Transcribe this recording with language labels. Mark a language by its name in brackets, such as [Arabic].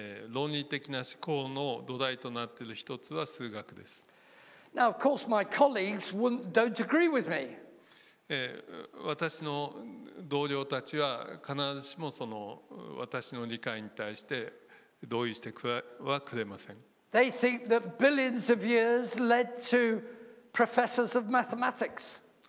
[Japanese] 論理的な思考の土台となっている一つは数学です。 [English] Now, of course, my colleagues don't agree with me. [Japanese] 私の同僚たちは必ずしもその私の理解に対して同意してはくれません。 [English] They think that billions of years led to professors of mathematics.